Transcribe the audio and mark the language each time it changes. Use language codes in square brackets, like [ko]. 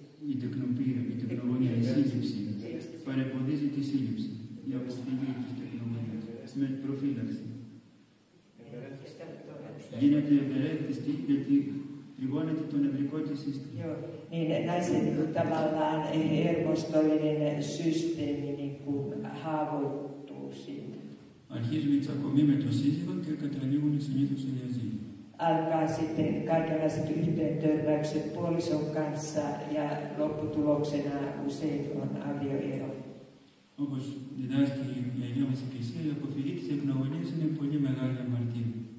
[el] η τεκνοποίηση, η τεκνογωνία, η σύλληψη, παρεμποδίζει τη σύλληψη, η αποστηγή της τεκνογωνίας, με προφύλαξη. Γίνεται ευερέθιστη γιατί πληγώνεται το νευρικό της σύστημα. [fi] Niin naisen tavallaan hermostollinen systeemi haavoittuu siitä. [el] Αρχίζουμε τσακωμή με το σύζυγο και καταλήγουμε συνήθως στο διαζύγιο. [fi] Alkaa sitten kaikenlaiset yhteen törmäykset puolison kanssa ja lopputuloksena usein on avioero. [el] Όπως διδάσκει η Αγία μας Εκκλησία, η αποφυγή της τεκνογωνίας είναι πολύ μεγάλη αμαρτία.